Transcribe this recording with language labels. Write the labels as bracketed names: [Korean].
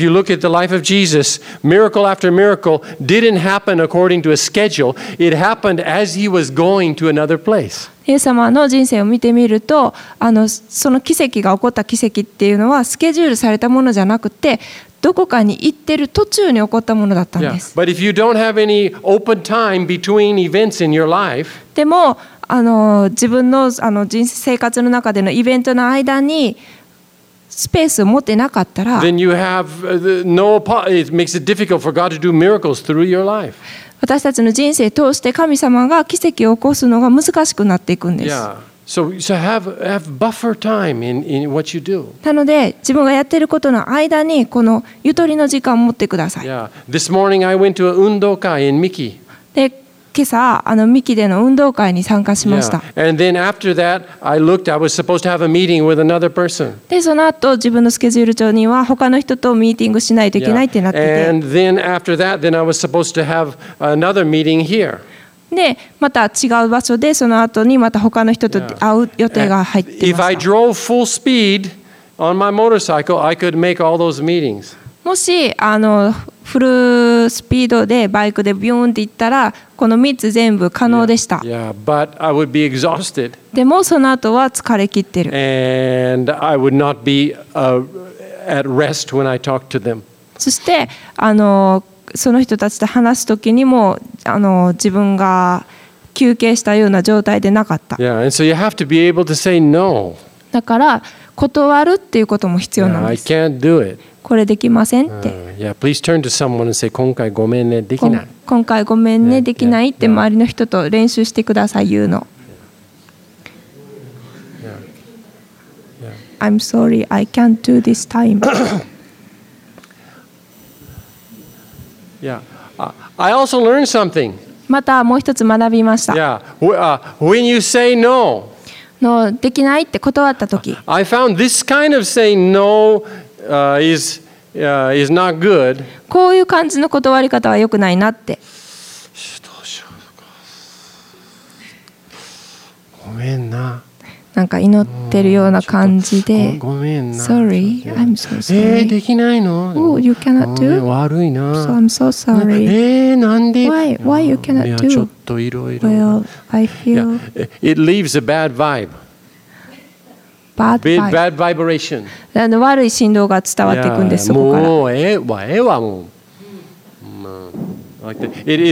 [English] If you look at the life of Jesus, miracle after miracle didn't happen according to a schedule. It happened as he was going to another place. [Japanese] イエス様の人生を見てみると、その奇跡が起こった奇跡っていうのはスケジュールされたものじゃなくて、どこかに行ってる途中に起こったものだったんです。 [English] Yeah. But if you don't have any open time between events in your life, [Japanese] でも自分の人生活の中でのイベントの間にスペースを持ってなかったら、 [English] then you have no it makes it difficult for God to do miracles through your life. [Japanese] 私たちの人生を通して神様が奇跡を起こすのが難しくなっていくんです。 [English] Yeah. So have buffer time in what you do. [Japanese] なので自分がやっていることの間にこのゆとりの時間を持ってください。 [English] Yeah. This morning I went to a 運動会 in Miki. [Japanese] で、今朝ミキでの運動会に参加しました。 [English] Yeah. And then after that I looked. I was supposed to have a meeting with another person. [Japanese] で、その後自分のスケジュール帳には他の人とミーティングしないといけないってなってて。 [English] Yeah. And then after that, then I was supposed to have another meeting here. [Japanese] でまた違う場所でその後にまた他の人と会う予定が入っていました。 [English] If I drove full speed on my motorcycle, I could make all those meetings. [Japanese] もしフルスピードでバイクでビューンって行ったらこの3つ全部可能でした。 [English] Yeah, yeah, but I would be exhausted. [Japanese] でもその後は疲れ切ってる。 [English] And I would not be at rest when I talked to them. [Japanese] そしてその人たちと話すときにも自分が休憩したような状態でなかった。 [English] Yeah, and so you have to be able to say no. [Japanese] だから断るっていうことも必要なんです。 [English] Yeah, I can't do it. [Japanese] これできませんって。 [English] Yeah, please turn to someone and say, [Japanese] 今回ごめんね、できない。今回ごめんね、できないって周りの人と練習してください、言うの。 [English] Yeah. I'm sorry, I can't do this time. Yeah. I also learned something. [Japanese] またもう一つ学びました。 [English] Yeah. When you say no, [Japanese] no, できないって断ったとき、 [English] I found this kind of saying no is not good. [Japanese] こういう感じの断り方は良くないなって。どうしようか。ごめんな。なんか祈ってるような感じで。ごめんな。 [English] Sorry, I'm so sorry. [Japanese] できないの？ [English] Oh, you cannot do? [Japanese] 悪いな。 [English] So I'm so sorry. [Japanese] なんで？ [English] Why you cannot do? [Japanese] いや、ちょっといろいろ。 [English] Well, I feel. It leaves a bad vibe. Bad vibe. Bad vibration. [Japanese] 悪い振動が伝わっていくんです、そこから。もう。 [English] まあ、like that.